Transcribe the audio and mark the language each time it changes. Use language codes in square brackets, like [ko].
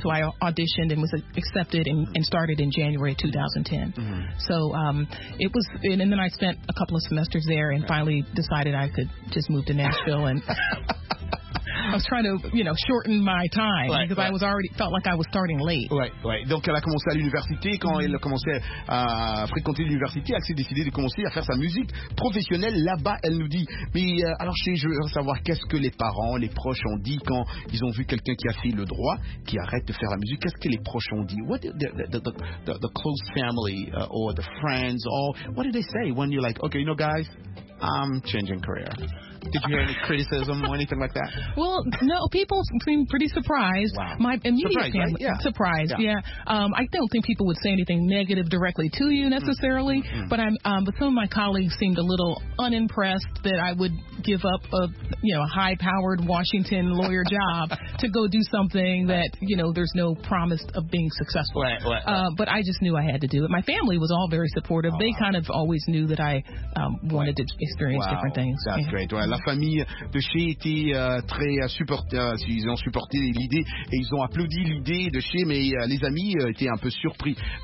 [en] So I auditioned and was accepted and started in January 2010. Mm-hmm. So it was, and then I spent a couple of semesters there and finally decided I could just move to Nashville. And I was trying to, you know, shorten my time because I was already felt like I was starting late. Right. [fr] Donc elle a commencé à l'université quand mm-hmm. elle a commencé à fréquenter l'université, elle s'est décidée de commencer à faire sa musique professionnelle là-bas. Elle nous dit, mais alors je veux savoir qu'est-ce que les parents, les proches ont dit quand ils ont vu quelqu'un qui a fait le droit, qui arrête de faire la musique. Qu'est-ce que les proches ont dit? [en] What did the close family or the friends or what did they say when you're like, okay, you know, guys, I'm changing career. Did you hear any criticism or anything like that? Well, no. People seem pretty surprised. Wow. My immediate family. Right? Yeah. Surprised. Yeah. I don't think people would say anything negative directly to you necessarily, mm-hmm. but some of my colleagues seemed a little unimpressed that I would give up a high-powered Washington lawyer job to go do something that, you know, there's no promise of being successful. Right. But I just knew I had to do it. My family was all very supportive. Oh, they kind of always knew that I wanted to experience different things. That's great. [fr] Ouais, la famille de Shane était très supportée. Ils ont supporté l'idée et ils ont applaudi l'idée de Shane, mais les amis étaient un peu surpris.